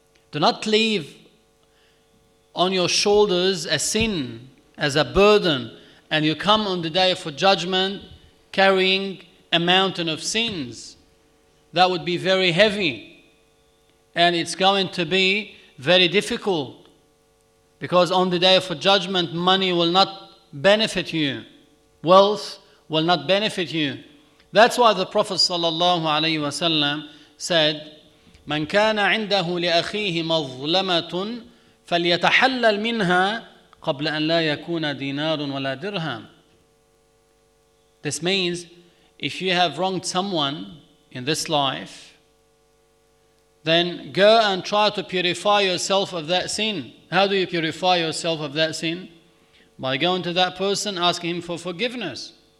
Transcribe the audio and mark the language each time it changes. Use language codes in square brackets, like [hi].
[en] Do not leave on your shoulders a sin as a burden, and you come on the day of judgment carrying a mountain of sins. That would be very heavy, and it's going to be very difficult. Because on the day of judgment, money will not benefit you. Wealth will not benefit you. That's why the Prophet sallallahu alayhi wa sallam said, [ar] من كان عنده لأخيه مظلمة فليتحلل منها قبل أن لا يكون دينار ولا درهم. [en] This means, if you have wronged someone in this life, then go and try to purify yourself of that sin. How do you purify yourself of that sin? By going to that person, asking him for forgiveness.